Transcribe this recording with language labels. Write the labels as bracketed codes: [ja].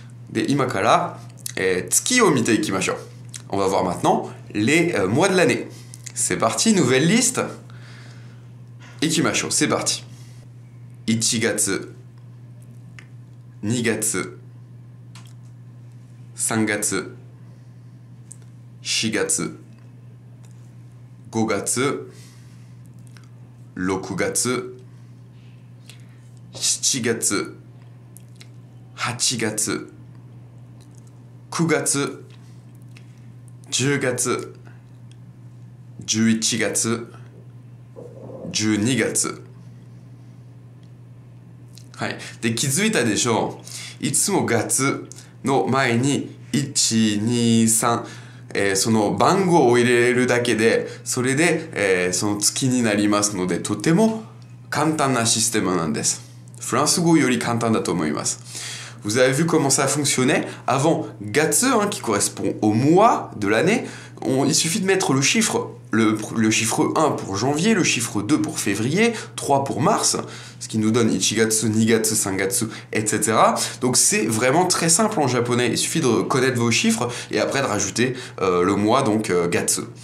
[ja] で、今から、月を見ていきましょう。 [fr] On va voir maintenant les mois de l'année. C'est parti, nouvelle liste. [ja] いきましょう、 [fr] c'est parti. [ja] 1月、2月、3月、4月、5月、6月、7月、8月、9月、10月、11月、12月。はい。で、気づいたでしょう。いつも月の前に、1、2、3、その番号を入れるだけで、それで、その月になりますので、とても簡単なシステムなんです。フランス語より簡単だと思います。 [fr] Vous avez vu comment ça fonctionnait? Avant, gatsu, hein, qui correspond au mois de l'année, il suffit de mettre le chiffre. Le chiffre 1 pour janvier, le chiffre 2 pour février, 3 pour mars, ce qui nous donne Ichigatsu, Nigatsu, Sangatsu, etc. Donc c'est vraiment très simple en japonais. Il suffit de connaître vos chiffres et après de rajouter le mois, donc gatsu.